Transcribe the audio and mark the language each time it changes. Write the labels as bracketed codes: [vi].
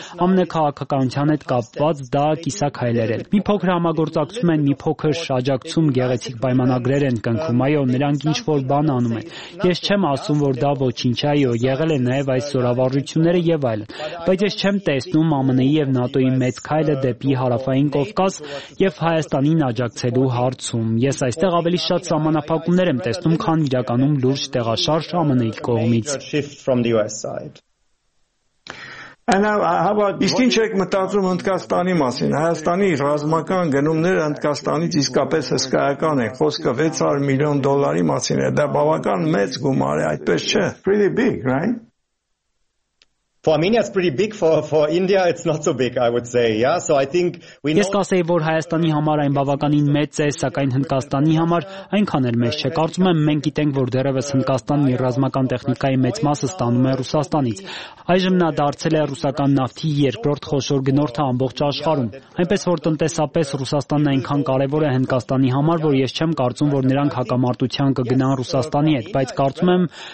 [hy] ամենաքաղաքականության հետ կապված դա կիսաքայլեր են։ Մի փոքր համագործակցում են, մի փոքր աջակցում, գեղեցիկ պայմանագրեր են կնքում, այո, նրանք ինչ-որ բան անում են։ Ես չեմ ասում, որ դա ոչինչ, այո, եղել են նաև այս զորավարությունները եւ այլն, բայց ես չեմ տեսնում ԱՄՆ-ի եւ ՆԱՏՕ-ի մեծ քայլը դեպի Հարավային Կովկաս եւ Հայաստանին աջակցելու հարցում։ Ես այստեղ ավելի շատ սահմանափակումներ եմ տեսնում, քան իրականում լուրջ տեղաշարժ ԱՄՆ-ի կողմից։ [en] And now, how about [hy] իսկին չեք մտածում Հնդկաստանի մասին։ Հայաստանի ռազմական գնումները Հնդկաստանից իսկապես հսկայական են։ Խոսքը 600 միլիոն դոլարի մասին է։ Դա բավական մեծ գումար է, այդպես չէ։ [en] Pretty big, right? For Armenia it's pretty big, for India it's not so big, I would say. Yeah, so I think we know. [hy] Ես կասեի, որ Հայաստանի համար այն բավականին մեծ է, սակայն Հնդկաստանի համար այնքան էլ մեծ չէ։ Կարծում եմ, մենք գիտենք, որ դեռևս Հնդկաստանն իր ռազմական տեխնիկայի մեծ մասը ստանում է Ռուսաստանից։ Այժմ նա դարձել է ռուսական նավթի երկրորդ խոշոր գնորդը ամբողջ աշխարհում։ Այնպես որ տնտեսապես Ռուսաստանն այնքան կարևոր է Հնդկաստանի համար, որ ես չեմ կարծում, որ նրանք հակամարտության կգնան Ռուսաստանի հետ, բայց կարծում եմ,